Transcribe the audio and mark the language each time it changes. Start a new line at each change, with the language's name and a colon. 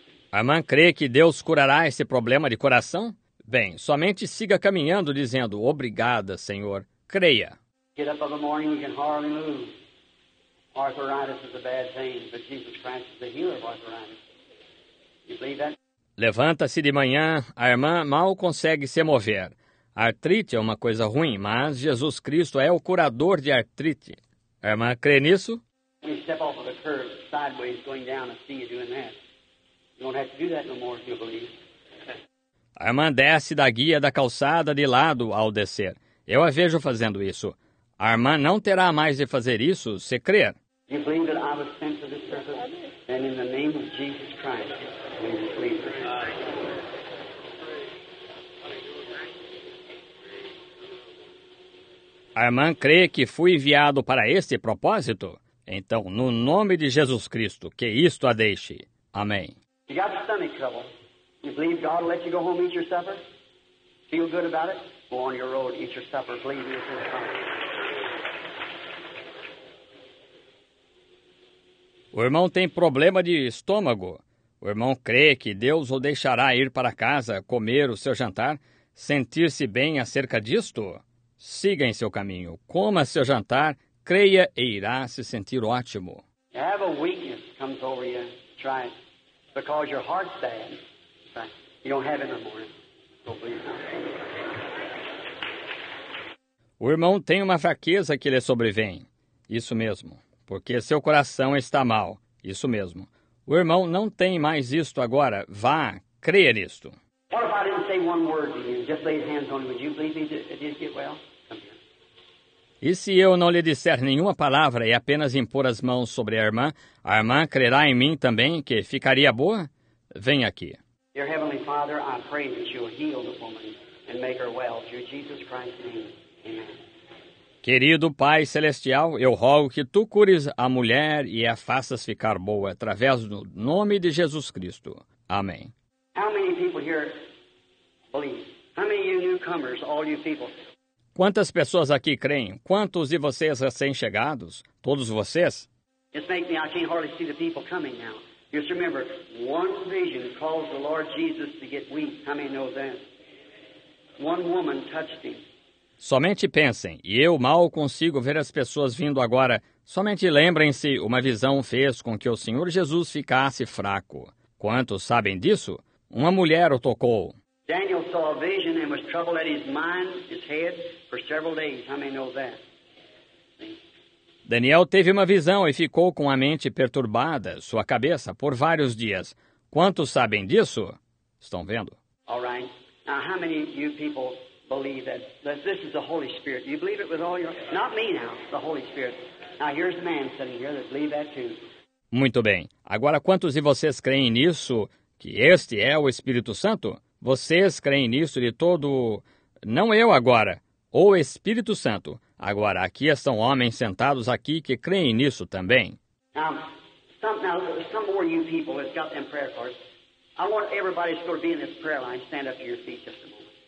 Portuguese: A irmã crê que Deus curará esse problema de coração? Bem, somente siga caminhando dizendo, obrigada, Senhor. Creia.
English: Get up in the morning, you can hardly move. arthritis is a bad thing, but Jesus Christ is the healer of arthritis. You believe that?
Portuguese: Levanta-se de manhã, a irmã mal consegue se mover. Artrite é uma coisa ruim, mas Jesus Cristo é o curador de artrite. A irmã crê nisso?
English: You step off of the curb sideways going down and see you doing that. You don't have to do that no more if you believe.
Portuguese: A irmã desce da guia da calçada de lado ao descer. Eu a vejo fazendo isso. A irmã não terá mais de fazer isso se crer. You believe that I was sent to this earth? Then in the name of Jesus Christ, we believe. A irmã crê que fui enviado para este propósito? Então, no nome de Jesus Cristo, que isto a deixe. Amém.
English: You got stomach trouble. You believe God will let you go home and eat your supper? Feel good about it? Go on your road, eat your supper, believe me.
Portuguese: O irmão tem problema de estômago. O irmão crê que Deus o deixará ir para casa, comer o seu jantar, sentir-se bem acerca disto? Siga em seu caminho, coma seu jantar, creia e irá se sentir ótimo.
English: Have a weakness comes over you, try it, because your heart's bad. You don't have it no more. Go believe.
Portuguese: O irmão tem uma fraqueza que lhe sobrevém. Isso mesmo, porque seu coração está mal. Isso mesmo. O irmão não tem mais isto agora. Vá, creia nisto.
English: What if I didn't say one word to you? Just lay his hands on you. Would you believe he did get well?
Portuguese: E se eu não lhe disser nenhuma palavra e apenas impor as mãos sobre a irmã crerá em mim também que ficaria boa? Vem aqui.
English: Dear Heavenly Father, I pray that you will heal the woman and make her well. Through Jesus Christ's name. Amen.
Portuguese: Querido Pai Celestial, eu rogo que tu cures a mulher e a faças ficar boa através do nome de Jesus Cristo. Amém.
English: How many people here believe? How many of you newcomers, all you people?
Portuguese: Quantas pessoas aqui creem? Quantos de vocês recém-chegados? Todos vocês?
English: Just make me, I can't hardly see the people coming now. Just remember, one vision caused the Lord Jesus to get weak. How many know that? One woman touched him.
Portuguese: Somente pensem, e eu mal consigo ver as pessoas vindo agora. Somente lembrem-se, uma visão fez com que o Senhor Jesus ficasse fraco. Quantos sabem disso? Uma mulher o tocou.
English: Daniel saw a vision and was troubled at his mind, his head, for several days. How many know that?
Portuguese: Daniel teve uma visão e ficou com a mente perturbada, sua cabeça, por vários dias. Quantos sabem disso? Estão vendo?
English: All right. Now, how many of you people believe that, this is the Holy Spirit? Do you believe it with all your... Not me now, the Holy Spirit. Now, here's a man sitting here that believes that too.
Portuguese: Muito bem. Agora, quantos de vocês creem nisso, que este é o Espírito Santo? Vocês creem nisso de todo... Não eu agora, o Espírito Santo. Agora, aqui estão homens sentados aqui que creem nisso também.
English: Some more of you people have got them prayer cards. I want everybody to be in this prayer line. Stand up to your feet just a moment.